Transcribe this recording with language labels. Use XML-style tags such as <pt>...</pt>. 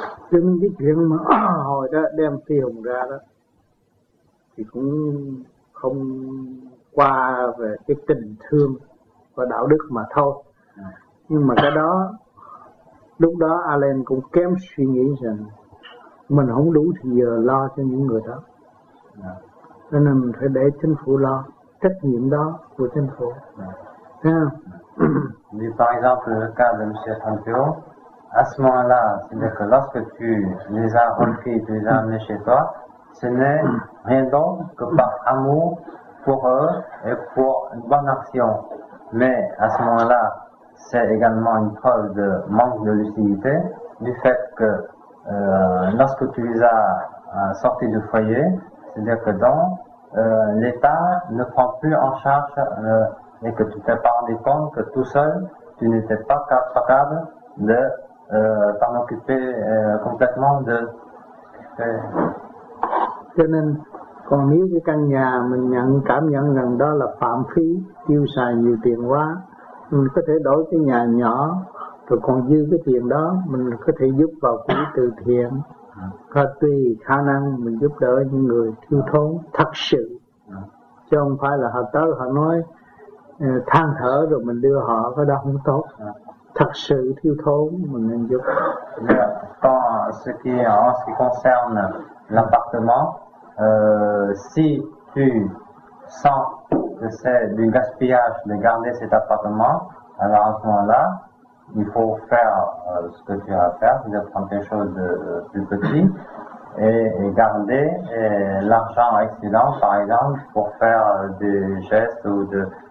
<vi>Chính cái chuyện mà hồi đó đem Phi Hùng ra đó thì cũng không qua về cái tình thương và đạo đức mà thôi. Nhưng mà cái đó, lúc đó Alan cũng kém suy nghĩ rằng mình không đủ thì giờ lo cho những người đó, cho nên mình phải để chính phủ lo, trách nhiệm đó của chính phủ.</vi> <fr>Thì par exemple le cas de Monsieur Tantio, à ce moment-là, c'est-à-dire que lorsque tu les as remplis, tu les as amenés chez toi, ce n'est rien d'autre que par amour pour eux et pour une bonne action. Mais à ce moment-là, c'est également une preuve de manque de lucidité, du fait que lorsque tu les as sortis du foyer, c'est-à-dire que dans l'État ne prend plus en charge et que tu t'es pas rendu compte que tout seul, tu n'étais pas capable de t'en occuper complètement de...</fr> <vi>Cho nên, còn nếu cái căn nhà mình nhận cảm nhận rằng đó là phạm phí, tiêu xài nhiều tiền quá, mình có thể đổi cái nhà nhỏ, rồi còn dư cái tiền đó, mình có thể giúp vào quỹ từ thiện. Và tùy khả năng mình giúp đỡ những người thiếu thốn thật sự, chứ không phải là họ tới họ nói than thở rồi mình đưa họ, cái đó không tốt. Thật sự thiếu thốn mình nên giúp.</vi> <fr>Còn ce qui en ce qui concerne l'appartement, si tu sens que c'est du gaspillage de garder cet appartement, alors à ce moment-là, il faut faire ce que tu as à faire, c'est-à-dire prendre quelque chose de plus petit et garder l'argent excédent, par exemple, pour faire des gestes ou de...</fr>